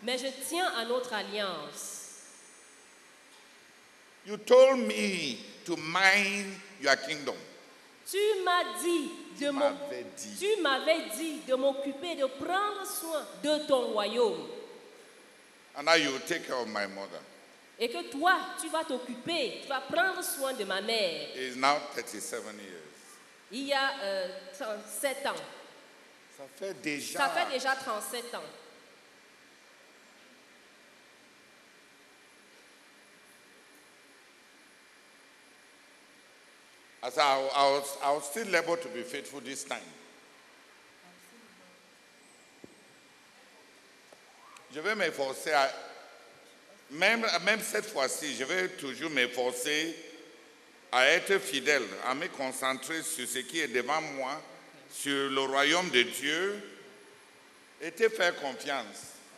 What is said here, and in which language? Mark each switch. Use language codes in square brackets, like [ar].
[fr] Mais je tiens à notre alliance. [en] You told me to mind your kingdom. [fr] Tu m'as dit de tu m'avais dit de m'occuper de prendre soin de ton royaume. [en] And now you will take care of my mother. [fr] Et que toi, tu vas t'occuper, tu vas prendre soin de ma mère. [en] It is now 37 years. [fr] Il y a 37 ans. Ça fait déjà 37 ans. [en] As I was still able to be faithful this time. [fr] Je vais m'efforcer à, même cette fois-ci, je vais toujours m'efforcer à être fidèle, à me concentrer sur ce qui est devant moi, sur le royaume de Dieu, et te faire confiance.